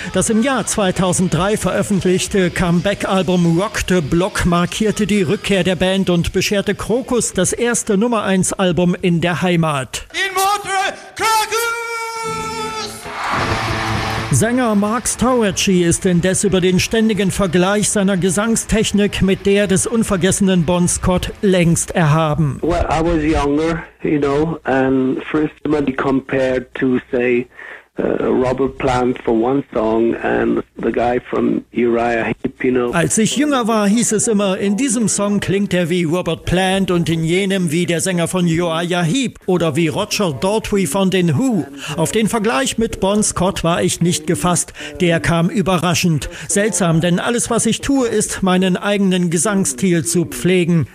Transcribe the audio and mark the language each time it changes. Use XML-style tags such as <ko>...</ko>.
<de>Das im Jahr 2003 veröffentlichte Comeback-Album Rock the Block markierte die Rückkehr der Band und bescherte Krokus das erste Nummer-1-Album in der Heimat. Sänger Mark Storaci ist indes über den ständigen Vergleich seiner Gesangstechnik mit der des unvergessenen Bon Scott längst erhaben.</de> <en>Well, I was younger, you know, and first when he compared to, say, Robert Plant for one song and the guy from Uriah Heep, you know.</en> <de>Als ich jünger war, hieß es immer, in diesem Song klingt er wie Robert Plant und in jenem wie der Sänger von Uriah Heep oder wie Roger Daltrey von den Who. Auf den Vergleich mit Bon Scott war ich nicht gefasst. Der kam überraschend. Seltsam, denn alles, was ich tue, ist, meinen eigenen Gesangsstil zu pflegen.</de>